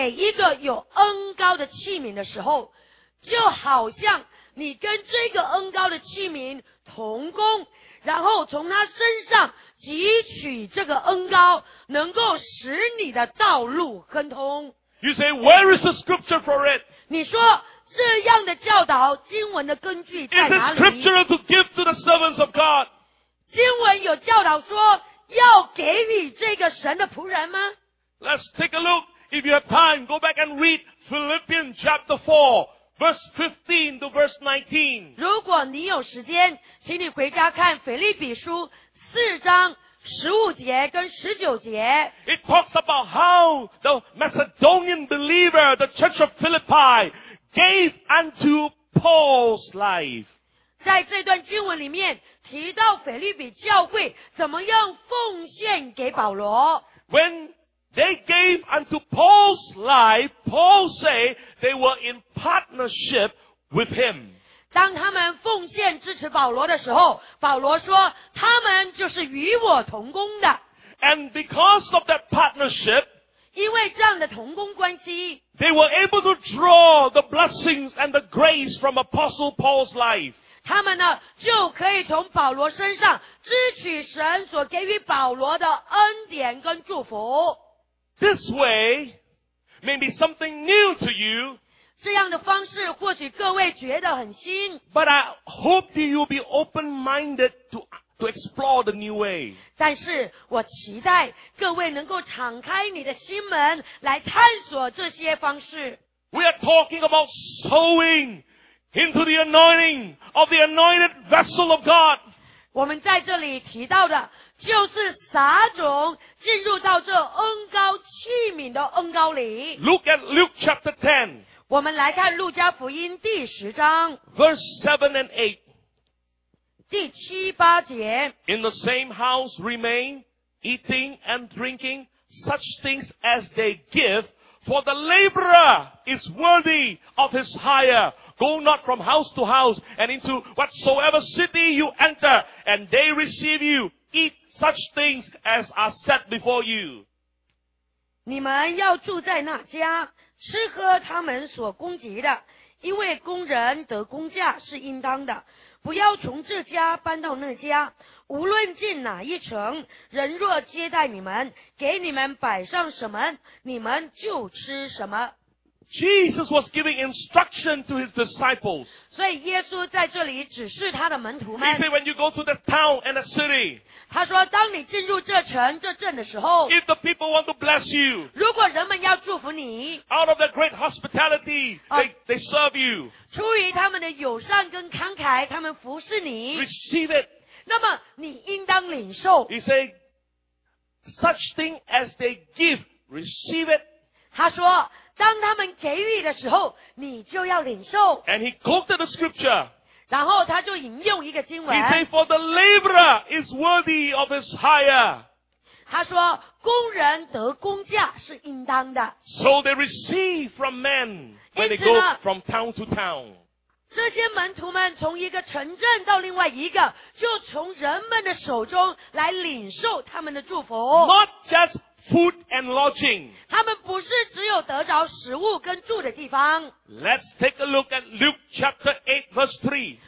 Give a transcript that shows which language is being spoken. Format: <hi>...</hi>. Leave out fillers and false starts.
<zh>当你撒种或奉献给一个有恩膏的器皿的时候, 就好像你跟这个恩膏的器皿同工, 然后从他身上汲取这个恩膏, 能够使你的道路亨通。</zh> <en>You say, where is the scripture for it?</en> <zh>你说这样的教导, 经文的根据在哪里?</zh> <en>Is the scripture to give to the servants of God?</en> <zh>经文有教导说, 要给予这个神的仆人吗?</zh> <en>Let's take a look. If you have time, go back and read Philippians chapter 4. Verse 15 to verse 19.</en> <zh>如果你有时间, 请你回家看腓立比书4章15节跟19节。</zh> <en>It talks about how the Macedonian believer, the church of Philippi, gave unto Paul's life.</en> <zh>在这段经文里面, 提到腓立比教会怎么样奉献给保罗。</zh> <en>When They gave unto Paul's life, Paul say they were in partnership with him.</en> <zh>当他们奉献支持保罗的时候，保罗说他们就是与我同工的。</zh> <en>And because of that partnership,</en> <zh>因为这样的同工关系，</zh> <en>they were able to draw the blessings and the grace from Apostle Paul's life.</en> <zh>他们呢就可以从保罗身上支取神所给予保罗的恩典跟祝福。</zh> <en>This way may be something new to you.</en> <zh>这样的方式或许各位觉得很新。</zh> <en>But I hope that you'll be open-minded to explore the new way.</en> <zh>但是我期待各位能够敞开你的心门来探索这些方式。</zh> <en>We are talking about sowing into the anointing of the anointed vessel of God.</en> <zh>我们在这里提到的就是撒种进入到这恩膏器皿的恩膏里。</zh> <en>Look at Luke chapter 10.</en> <zh>我们来看路加福音第十章。</zh> <en>Verse 7 and 8.</en> <zh>第七八节。</zh> <en>In the same house remain eating and drinking such things as they give, for the laborer is worthy of his hire. Go not from house to house, and into whatsoever city you enter, and they receive you, eat such things as are set before you.</en> <zh>你们要住在那家，吃喝他们所供给的，因为工人得工价是应当的。不要从这家搬到那家，无论进哪一城，人若接待你们，给你们摆上什么，你们就吃什么。</zh> <en>Jesus was giving instruction to his disciples.</en> <zh>所以耶稣在这里指示他的门徒们。</zh> <en>He said, when you go to the town and the city,</en> <zh>他说当你进入这城这镇的时候，</zh> <en>if the people want to bless you,</en> <zh>如果人们要祝福你，</zh> <en>out of their great hospitality, they serve you.</en> <zh>出于他们的友善跟慷慨，他们服侍你。</zh> <en>Receive it.</en> <zh>那么你应当领受。</zh> <en>He said, such thing as they give, receive it.</en> <zh>他说当他们给予的时候，你就要领受。</zh> <en>And he quoted the scripture.</en> <zh>然后他就引用一个经文。</zh> <en>He said, "For the laborer is worthy of his hire."</en> <zh>他说，工人得工价是应当的。</zh> <en>So they receive from men when they go from town to town.</en> <zh>这些门徒们从一个城镇到另外一个，就从人们的手中来领受他们的祝福。</zh> <en>Not just. Food and lodging.</en> <zh>他们不是只有得着食物跟住的地方。</zh> <en>Let's take a look at Luke chapter 8 verse 3.</en>